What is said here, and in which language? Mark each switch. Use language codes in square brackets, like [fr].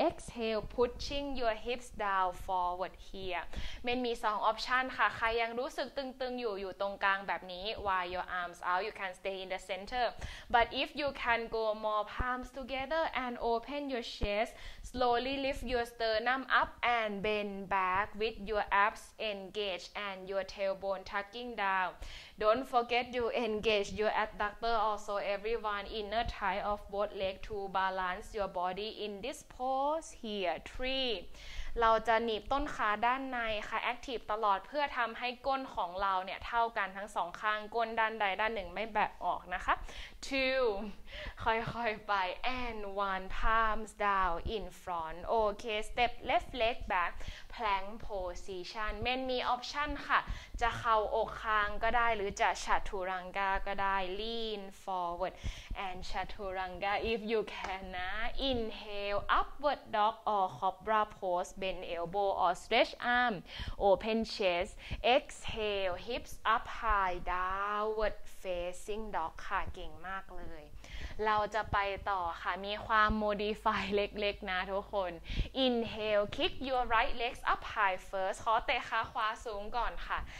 [en] Exhale, pushing your hips down forward here. [th] Menny มี 2 option ค่ะ.ใครยังรู้สึกตึงๆอยู่ตรงกลางแบบนี้ [en] while your arms out, you can stay in the center. But if you can go more palms together and open your chest, slowly lift your sternum up and bend back with your abs engaged and your tailbone tucking down. Don't forget to engage your adductor also, everyone. Inner thigh of both legs to balance your body in this pose here. 3. [th] เราจะหนีบต้นขาด้านในค่ะ active ตลอดเพื่อทำให้ก้นของเราเนี่ยเท่ากันทั้งสองข้างก้นด้านใดด้านหนึ่งไม่แบะออกนะคะ 2. ค่อยๆไป [en] and 1. Palms down in front. Okay. Step left leg back. Plank position. Menny [th] มี option ค่ะจะเข่าอกคางก็ได้หรือจะชาตูรังกาก็ได้ [en] Lean forward and ชาตูรังกา if you can นะ Inhale upward dog or cobra pose. Bend elbow or stretch arm. Open chest. Exhale hips up high downward facing dog [th] ค่ะเก่งมากเลยเราจะไปต่อค่ะมีความ [en] modify เล็กๆนะทุกคน inhale kick your right legs up high first [th] ขอเตะขาขวาสูงก่อนค่ะ